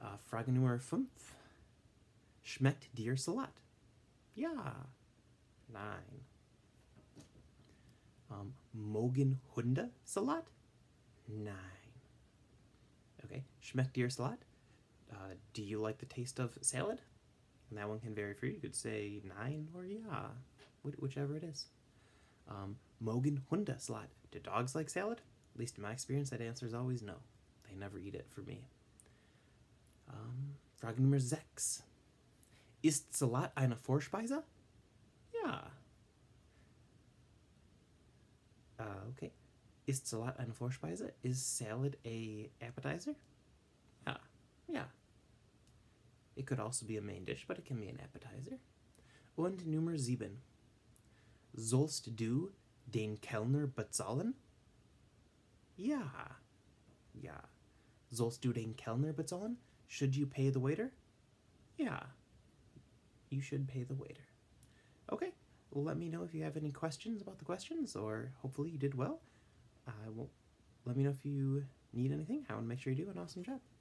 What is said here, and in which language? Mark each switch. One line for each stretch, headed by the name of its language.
German: Frage Nummer 5. Schmeckt dir Salat? Ja. Nein. Mogen Hunde Salat? Nein. Okay, schmeckt dir Salat?
English: Do you like the taste of salad? And that one can vary for you. You could say nein or ja, whichever it is.
German: Mogen Hunde Salat.
English: Do dogs like salad? At least in my experience, that answer is always no. They never eat it for me.
German: Frage Nummer 6. Ist Salat eine Vorspeise? Ja. Okay. Ist Salat eine Vorspeise?
English: Is salad a appetizer? Yeah. Yeah. It could also be a main dish, but it can be an appetizer.
German: Und Nummer 7. Sollst du den Kellner bezahlen? Ja. Ja. Sollst du den Kellner bezahlen?
English: Should you pay the waiter? Yeah. You should pay the waiter. Okay. Well, let me know if you have any questions about the questions, or hopefully you did well. Let me know if you need anything. I want to make sure you do an awesome job.